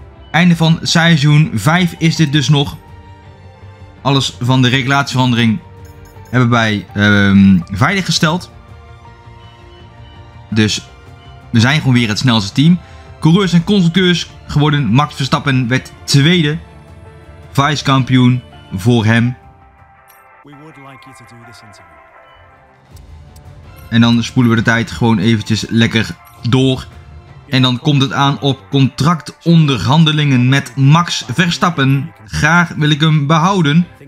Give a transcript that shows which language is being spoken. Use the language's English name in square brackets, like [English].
[Dutch] Einde van seizoen 5 is dit dus nog. Alles van de regulatieverandering hebben wij veilig gesteld. Dus we zijn gewoon weer het snelste team. Coureurs en constructeurs geworden. Max Verstappen werd tweede. Vice-kampioen voor hem. [English] We would like you to do this interview. [Dutch] En dan spoelen we de tijd gewoon eventjes lekker door. En dan komt het aan op contractonderhandelingen met Max Verstappen. Graag wil ik hem behouden.